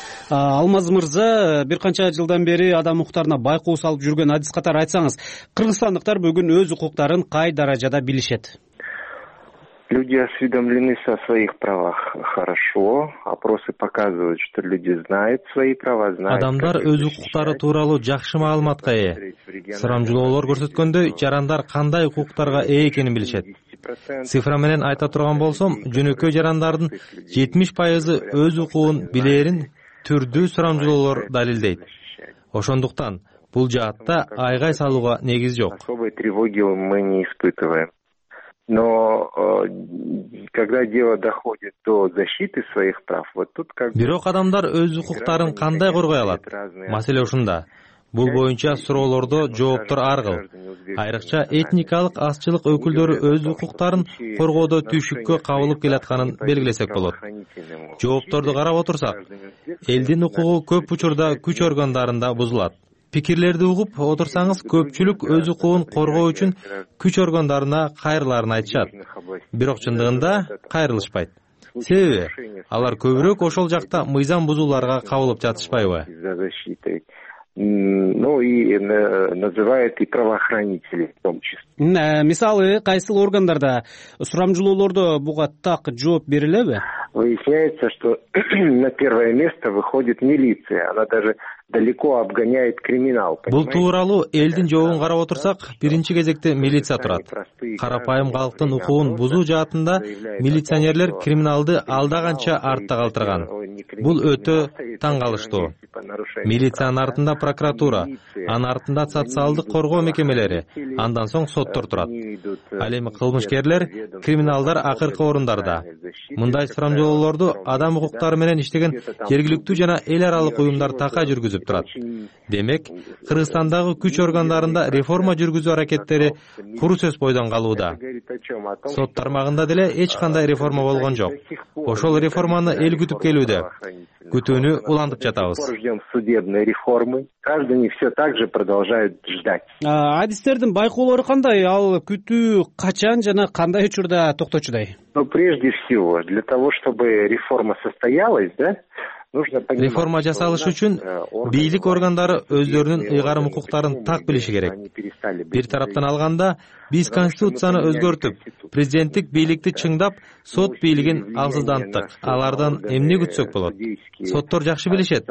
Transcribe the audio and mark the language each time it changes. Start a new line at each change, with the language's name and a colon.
Kyrgyz: Алмаз мырза, бир канча жылдан бери адам укуктарына байкоо салып жүргөн адис катары айтсаңыз, кыргызстандыктар бүгүн өз укуктарын кай даражада билишет?
Russian: Люди осведомлены о своих правах хорошо. Опросы показывают, что люди знают свои права, знают.
Kyrgyz: Адамдар өз укуктары тууралуу жакшы маалыматка ээ. Сурамжылоолор көрсөткөндө, жарандар кандай укуктарга ээ экенин билишет. Цифра менен айта турган болсом, жөнөкөй жарандардын 70% өз укугун билерин түрдүү сурамжылоолор далилдейт. Ошондуктан бул жаатта айгай салууга негиз жок. Особой тревоги мы не испытываем. Но когда дело доходит до защиты своих прав, вот тут как бы. Бирок адамдар өз укуктарын кандай коргой алат? Маселе ушунда. Бул боюнча суроолордо жооптор ар кыл. Айрыкча этникалык азчылык өкүлдөрү өз укуктарын коргоодо түйшүккө кабылып келатканын белгилесек болот. Жоопторду карап отурсак, элдин укугу көп учурда күч органдарында бузулат. Пикирлерди угуп отурсаңыз, көпчүлүк өз укугун коргоо үчүн күч органдарына кайрыларын айтышат. Бирок чындыгында кайрылышпайт. Себеби алар көбүрөөк ошол жакта мыйзам бузууларга кабылып жатышпайбы?
Russian: Ну и называют и правоохранители в том числе.
Kyrgyz: Мисалы кайсыл органдарда сурамжылоолордо буга так жооп берилеби?
Russian: Выясняется, что на первое место выходит милиция. Она даже далеко обгоняет криминал.
Kyrgyz: Бул тууралуу элдин жообун карап отурсак, биринчи кезекте милиция турат. Карапайым калктын укугун бузуу жаатында милиционерлер криминалды алда канча артта калтырган. Бул өтө таң калыштуу. Милициянын артында прокуратура, анын артында социалдык коргоо мекемелери, андан соң соттор турат. Ал эми кылмышкерлер, криминалдар акыркы орундарда. Мындай сурамжылоолорду адам укуктары менен иштеген жергиликтүү жана эл аралык уюмдар така жүргүзүп жүргүзүп турат. Демек, Кыргызстандагы күч органдарында реформа жүргүзүү аракеттери куру сөз бойдон калууда. Сот тармагында деле эч кандай реформа болгон жок. Ошол реформаны эл күтүп келүүдө. Күтүүнү улантып жатабыз.
Russian: Граждане все так же продолжают ждать.
Kyrgyz: Адистердин байкоолору кандай? Ал күтүү качан жана кандай учурда токточудай?
Russian: Но прежде всего, для того, чтобы реформа состоялась, да, нужно понимать,
Kyrgyz: реформа жасалышы үчүн бийлик органдары өздөрүнүн ыйгарым укуктарын так билиши керек. Бир тараптан алганда, биз конституцияны өзгөртүп, президенттик бийликти чыңдап, сот бийлигин алсыздантык. Алардан эмне күтсөк болот? Соттор жакшы билишет.